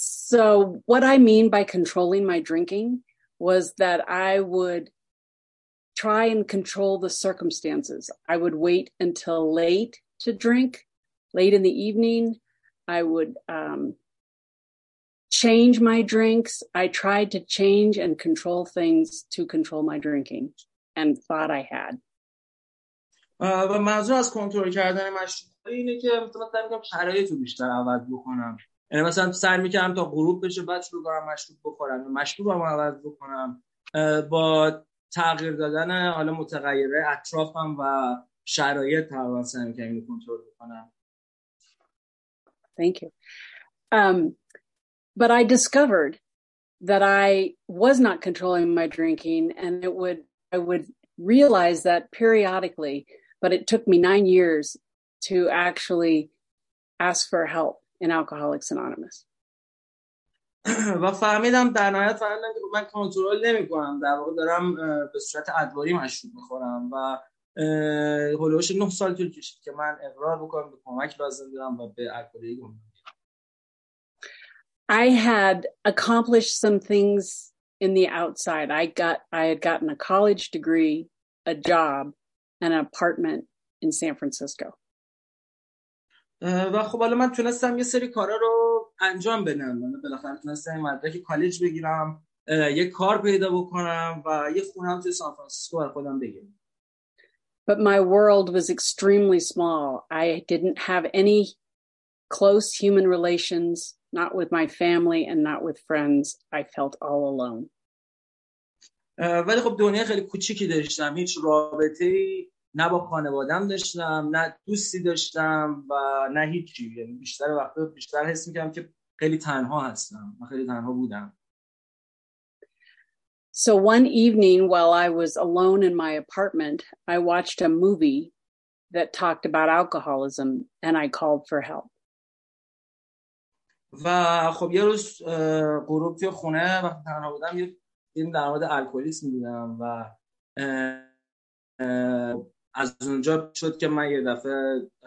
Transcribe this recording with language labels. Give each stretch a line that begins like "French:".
English: So what I mean by controlling my drinking was that I would try and control the circumstances. I would wait until late to drink, late in the evening. I would change my drinks. I tried to change and control things to control my drinking and thought I had.
Persian: و منظور از کنترل کردن مشروب اینه که مثلا سعی می‌کنم شرایط رو بیشتر عوض بکنم. یعنی مثلا سعی می‌کنم تا غروب بشه بعد شروع کنم مشروب بخورم، مشروبم عوض بکنم با تغییر دادن حالا متغیره اطرافم و شرایط تقریبا سعی می‌کنم کنترل بکنم.
English: Thank you. But I discovered that I was not controlling my drinking, and I would realize that periodically, but it took me 9 years to actually ask for help in Alcoholics Anonymous.
Persian: و فهمیدم در نهایت فهمیدم که من کنترل نمی‌کنم، در واقع دارم به صورت ادواری مشروب می‌خورم و هولوش 9 سال طول کشید که من اقرار بکنم به کمک لازم دارم و به الکلیگم.
English: I had accomplished some things in the outside. I had gotten a college degree, a job, and an apartment in San Francisco.
Persian: و خب حالا من تونستم یه سری کارا رو انجام بدم. من بالاخره تونستم مدرک کالج بگیرم، یه کار پیدا بکنم و یه خونه تو سان فرانسیسکو برای خودم بگیرم.
English: But my world was extremely small. I didn't have any close human relations. Not with my family and not with friends. I felt all alone.
Persian: ولی خب دنیا خیلی کوچیکی داشتم. هیچ رابطه‌ای نه با خانواده‌ام داشتم، نه دوستی داشتم و نه هیچی. یعنی بیشتر وقتا بیشتر حس می‌کردم که خیلی تنها هستم. من خیلی تنها بودم.
English: So one evening while I was alone in my apartment, I watched a movie that talked about alcoholism and I called for help.
Persian: و خب یه روز غروب توی خونه وقتی تنها بودم یه فیلم در مورد الکلیسم دیدم و از اونجا شد که من یه دفعه